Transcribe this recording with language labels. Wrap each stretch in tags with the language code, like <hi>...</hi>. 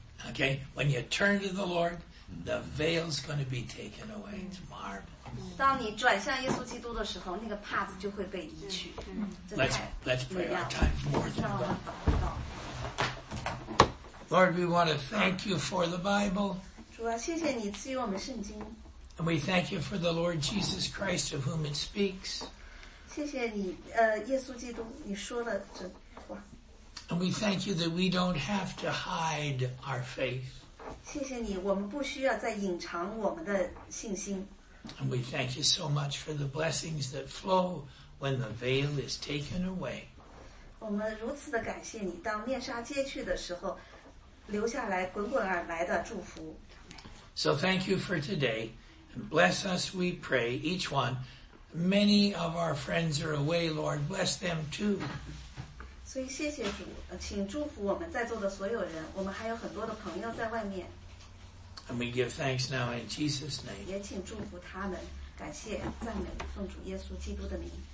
<en>Okay, when you turn to the Lord,The veil's going to be taken away. It's marvelous.</en> <zh>当你转向耶稣基督的时候，那个帕子就会被移去。</zh> <en>Let's pray our time more than that. Lord, we want to thank you for the Bible.</en> <zh>主啊，谢谢你赐予我们圣经。</zh> <en>And we thank you for the Lord Jesus Christ of whom it speaks.</en> <zh>谢谢你，耶稣基督，你说的这话。</zh> <en>And we thank you that we don't have to hide our faith.</en> <zh>谢谢你，我们不需要再隐藏我们的信心。</zh> <en>And we thank you so much for the blessings that flow when the veil is taken away.</en> <zh>我们如此的感谢你，当面纱揭去的时候，留下来滚滚而来的祝福。</zh> <en>So thank you for today. Bless us, we pray, each one. Many of our friends are away, Lord. Bless them too.</en> <zh>所以谢谢主，请祝福我们在座的所有人。我们还有很多的朋友在外面。</zh> <en>And we give thanks now in Jesus' name.</en> <zh>也请祝福他们，感谢、赞美、奉主耶稣基督的名。</zh>